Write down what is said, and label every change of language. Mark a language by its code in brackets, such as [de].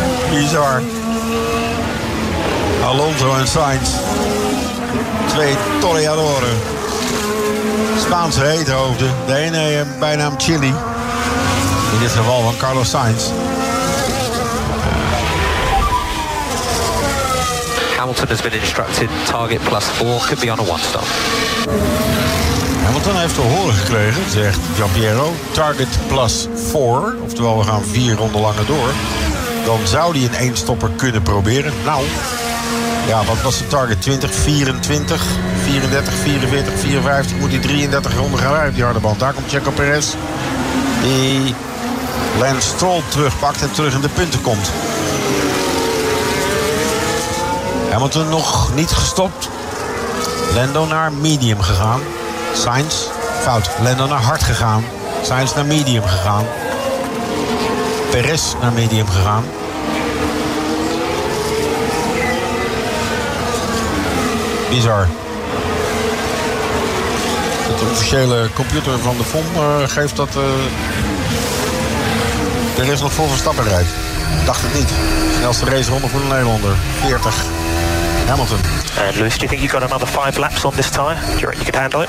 [nl] Bizar. Alonso en Sainz. Twee toreadoren. Spaanse hete hoofden. De ene bijnaam Chili. In dit geval van Carlos Sainz. [en] Hamilton has been instructed. Target plus 4 could be on a one stop. [nl] Ja, want dan heeft hij horen gekregen, zegt Giampiero. [en] Target plus 4, [nl] oftewel we gaan 4 ronden langer door. Dan zou hij een 1-stopper kunnen proberen. Nou, ja, wat was de target? 20, 24, 34, 44, 54. Moet hij 33 ronden gaan rijden, die harde band. Daar komt Checo Perez. Die Lance Stroll terugpakt en terug in de punten komt. Hamilton nog niet gestopt. Lando naar medium gegaan. Sainz, fout. Lando naar hard gegaan. Sainz naar medium gegaan. Perez naar medium gegaan. Bizar. Het officiële computer van de FOM geeft dat... Perez nog vol Verstappen rijdt. Dacht het niet. Snelste race ronde voor de Nederlander. 40. Hamilton. [en] And Lewis, do you think you got another 5 laps on this tyre? Do you reckon you could handle it?